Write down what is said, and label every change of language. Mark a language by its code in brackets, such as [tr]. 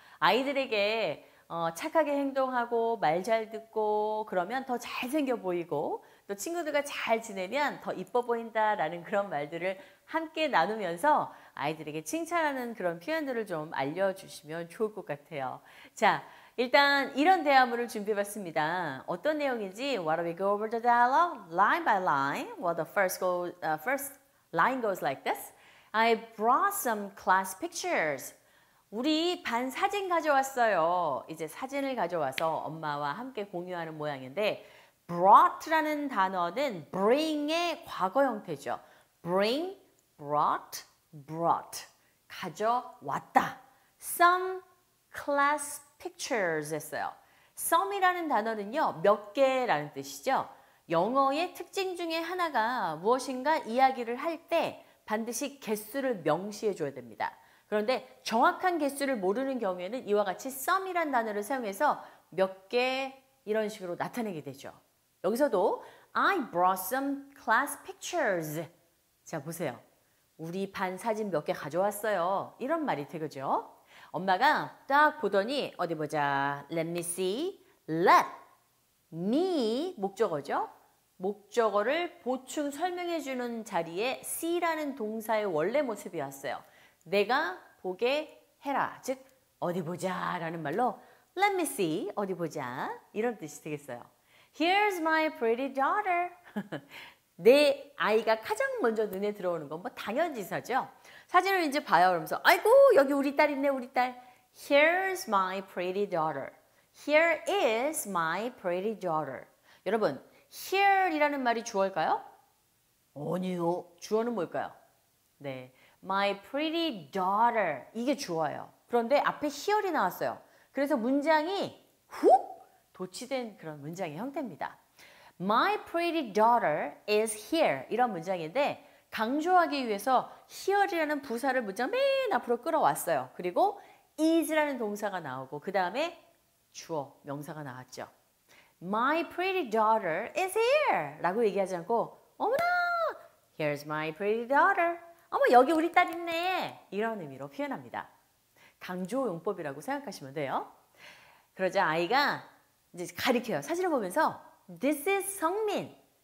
[ko] 아이들에게 착하게 행동하고 말 잘 듣고 그러면 더 잘생겨 보이고 또 친구들과 잘 지내면 더 이뻐 보인다라는 그런 말들을 함께 나누면서 아이들에게 칭찬하는 그런 표현들을 좀 알려주시면 좋을 것 같아요. 자, 일단 이런 대화문을 준비해봤습니다. 어떤 내용인지 [en] What do we go over the dialogue? Line by line. Well, the first line goes like this. I brought some class pictures. [ko] 우리 반 사진 가져왔어요. 이제 사진을 가져와서 엄마와 함께 공유하는 모양인데 brought라는 단어는 bring의 과거 형태죠. [en] Bring, brought, brought. [ko] 가져왔다. [en] Some class pictures [ko] 했어요. Some이라는 단어는요. 몇 개라는 뜻이죠. 영어의 특징 중에 하나가 무엇인가 이야기를 할 때 반드시 개수를 명시해 줘야 됩니다. 그런데 정확한 개수를 모르는 경우에는 이와 같이 some이라는 단어를 사용해서 몇 개 이런 식으로 나타내게 되죠. 여기서도 [en] I brought some class pictures. [ko] 자, 보세요. 우리 반 사진 몇 개 가져왔어요. 이런 말이 되겠죠. 엄마가 딱 보더니 어디 보자. [en] Let me see. Let me [ko] 목적어죠. 목적어를 보충 설명해 주는 자리에 see라는 동사의 원래 모습이 왔어요. 내가 보게 해라. 즉 어디 보자 라는 말로 Let me see. 어디 보자. 이런 뜻이 되겠어요. [en] Here's my pretty daughter. [ko] 내 아이가 가장 먼저 눈에 들어오는 건 뭐 당연지사죠. 사진을 이제 봐요. 그러면서 아이고 여기 우리 딸 있네 우리 딸. [en] Here's my pretty daughter. Here is my pretty daughter. [ko] 여러분 here이라는 말이 주어일까요? 아니요. 주어는 뭘까요? 네. [en] My pretty daughter. [ko] 이게 주어예요. 그런데 앞에 here이 나왔어요. 그래서 문장이 훅 도치된 그런 문장의 형태입니다. [en] My pretty daughter is here. [ko] 이런 문장인데 강조하기 위해서 here이라는 부사를 문장 맨 앞으로 끌어왔어요. 그리고 is라는 동사가 나오고 그 다음에 주어, 명사가 나왔죠. [en] My pretty daughter is here. [ko] 라고 얘기하지 않고 어머나, [en] here's my pretty daughter. [ko] 어머, 여기 우리 딸 있네. 이런 의미로 표현합니다. 강조용법이라고 생각하시면 돼요. 그러자 아이가 이제 가리켜요. 사진을 보면서 [en] This is [ko] 성민.